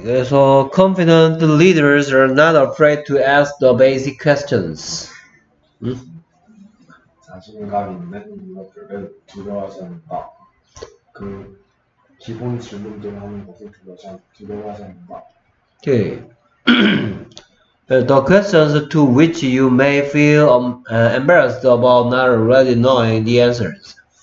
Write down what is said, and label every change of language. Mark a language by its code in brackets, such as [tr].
[ko] 그래서 [en] confident leaders are not afraid to ask the basic questions. [ko] 자신감 있는 인물들은 두려워하지 않는다. 그 기본 질문들을 하는 것을 두려워하지 않는다. 오케이. [en] The questions to which you may feel embarrassed about not already knowing the answers.